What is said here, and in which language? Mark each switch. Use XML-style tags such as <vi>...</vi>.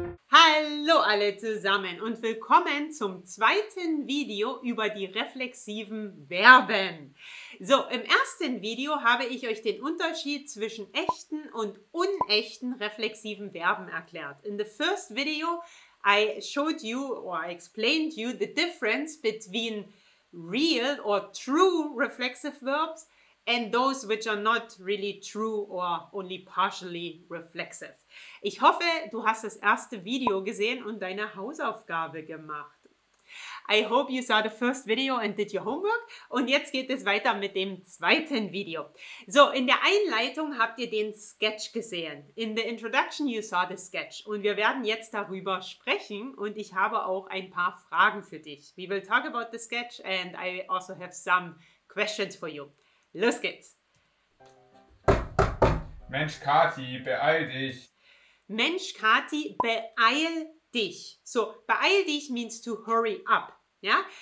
<de>Hallo alle zusammen und willkommen zum zweiten Video über die reflexiven Verben. So, im ersten Video habe ich euch den Unterschied zwischen echten und unechten reflexiven Verben erklärt.</de> <en>In the first video, I showed you or I explained you the difference between real or true reflexive verbs and those which are not really true or only partially reflexive.</en> <de>Ich hoffe, du hast das erste Video gesehen und deine Hausaufgabe gemacht.</de> <en>I hope you saw the first video and did your homework.</en> <de>Und jetzt geht es weiter mit dem zweiten Video. So, in der Einleitung habt ihr den Sketch gesehen.</de> <en>In the introduction you saw the sketch.</en> <de>Und wir werden jetzt darüber sprechen und ich habe auch ein paar Fragen für dich.</de> <en>We will talk about the sketch and I also have some questions for you.</en> <de>Los geht's! Mensch, Kathi, beeil dich! Mensch, Kathi, beeil dich! So, beeil dich</de> <en>means to hurry up.</en> <de>Ja?</de>